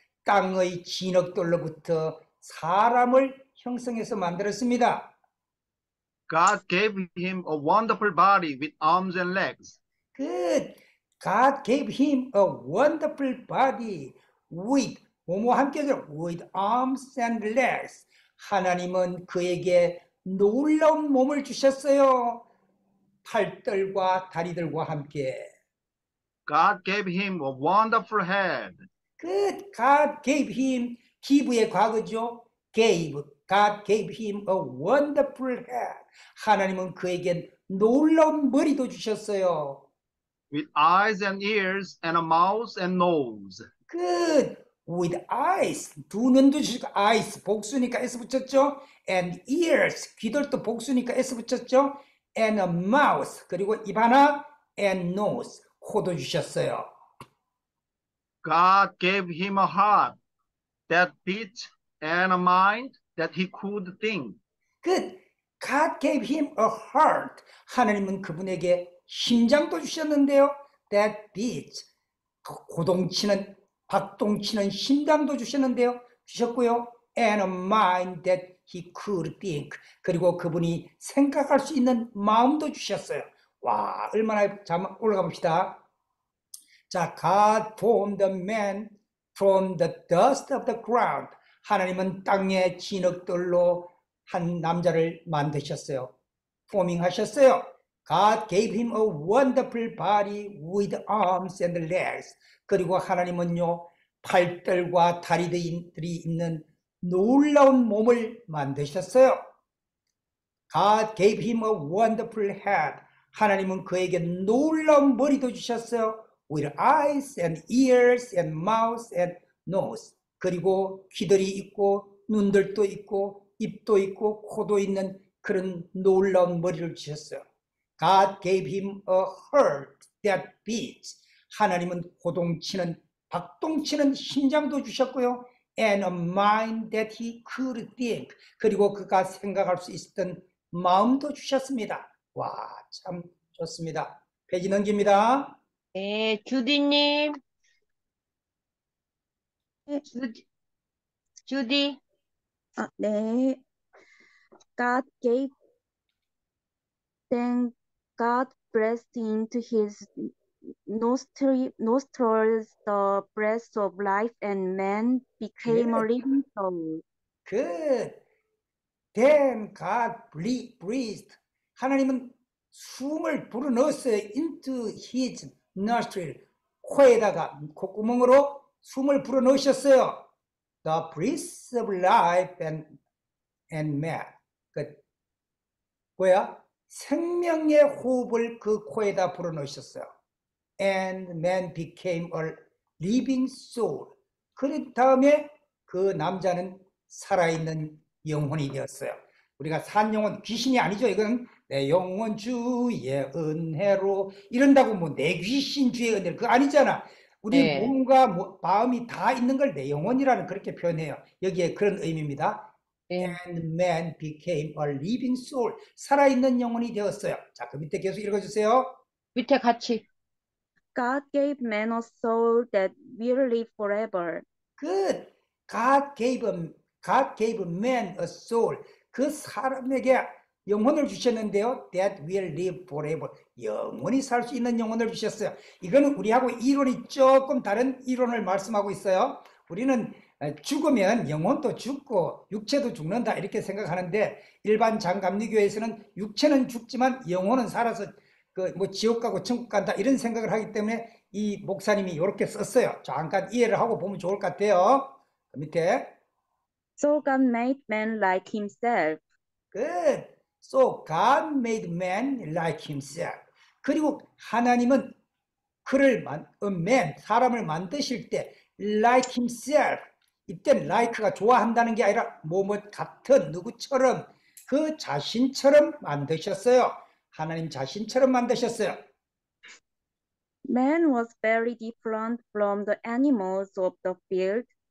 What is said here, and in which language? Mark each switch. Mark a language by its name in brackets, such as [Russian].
[Korean] 땅의 진흙돌로부터 사람을 형성해서 만들었습니다. [English] God gave him a wonderful body with arms and legs. Good. God gave him a wonderful body with [Korean] 뭐뭐 함께죠? [English] With arms and legs. [Korean] 하나님은 그에게 놀라운 몸을 주셨어요. 팔들과 다리들과 함께. [English] God gave him a wonderful head. Good. God gave him [Korean] give의 과거죠. [English] Gave. God gave him a wonderful head. [Korean] 하나님은 그에게 놀라운 머리도 주셨어요. [English] With eyes and ears and a mouth and nose. Good. With eyes. [Korean] 두 눈도 주시고 eyes 복수니까 s 붙였죠. [English] And ears [Korean] 귀들도 복수니까 s 붙였죠. [English] And a mouth [Korean] 그리고 입 하나 [English] and nose [Korean] 코도 주셨어요. [English] God gave him a heart that beat and a mind that he could think. Good. God gave him a heart. [Korean] 하나님은 그분에게 심장도 주셨는데요. [English] That beats. [Korean] 고동치는, 박동치는 심장도 주셨는데요. 주셨고요. [English] And a mind that he could think. [Korean] 그리고 그분이 생각할 수 있는 마음도 주셨어요. 와, 얼마나, 자, 올라가 봅시다. [English] 자, God formed the man from the dust of the ground. [Korean] 하나님은 땅의 진흙들로 한 남자를 만드셨어요. Forming 하셨어요. [English] God gave him a wonderful body with arms and legs. [Korean] 그리고 하나님은요, 팔뜰과 다리들이 있는 놀라운 몸을 만드셨어요. [English] God gave him a wonderful head. [Korean] 하나님은 그에게 놀라운 머리도 주셨어요. [English] With eyes and ears and mouth and nose. [Korean] 그리고 귀들이 있고 눈들도 있고 입도 있고 코도 있는 그런 놀라운 머리를 주셨어요. [English] God gave him a heart that beats. [Korean] 하나님은 고동치는, 박동치는 심장도 주셨고요. [English] And a mind that he could think. [Korean] 그리고 그가 생각할 수 있었던 마음도 주셨습니다. 와, 참 좋습니다. 페이지 넘깁니다. 네, 주디님. 주디. 아, 네. [English] God gave them. God breathed into his nostrils the breath of life, and man became a living soul. Good. Then God breathed. [Korean] 하나님은 숨을 불어넣었어요. [English] Into his nostril. [Korean] 코에다가, 콧구멍으로 숨을 불어넣으셨어요. [English] The breath of life and man. [Korean] 끝. 뭐야? 생명의 호흡을 그 코에다 불어넣으셨어요. [English] And man became a living soul. [Korean] 그런 다음에 그 남자는 살아있는 영혼이 되었어요. 우리가 산 영혼, 귀신이 아니죠. 이건 내 영혼 주의 은혜로 이런다고 뭐 내 귀신 주의 은혜로 그거 아니잖아. 우리 네. 몸과 마음이 다 있는 걸 내 영혼이라는 그렇게 표현해요. 여기에 그런 의미입니다. [English] And man became a living soul. [Korean] 살아있는 영혼이 되었어요. 자, 그 밑에 계속 읽어주세요. 밑에 같이. [English] God gave man a soul that will live forever. Good. God gave man a soul. [Korean] 그 사람에게 영혼을 주셨는데요. [English] That will live forever. [Korean] 영원히 살 수 있는 영혼을 주셨어요. 이거는 우리하고 이론이 조금 다른 이론을 말씀하고 있어요. 우리는 죽으면 영혼도 죽고 육체도 죽는다 이렇게 생각하는데, 일반 장감리교에서는 육체는 죽지만 영혼은 살아서 그 뭐 지옥 가고 천국 간다 이런 생각을 하기 때문에 이 목사님이 이렇게 썼어요. 잠깐 이해를 하고 보면 좋을 것 같아요. 그 밑에 [English] So God made man like himself. Good. So God made man like himself. [Korean] 그리고 하나님은 그를 man 사람을 만드실 때 [English] like himself. [Korean] 이때 like가 좋아한다는 게 아니라 뭐뭐 같은 누구처럼 그 자신처럼 만드셨어요. 하나님 자신처럼 만드셨어요. [English] Man was very different from the animals of the field.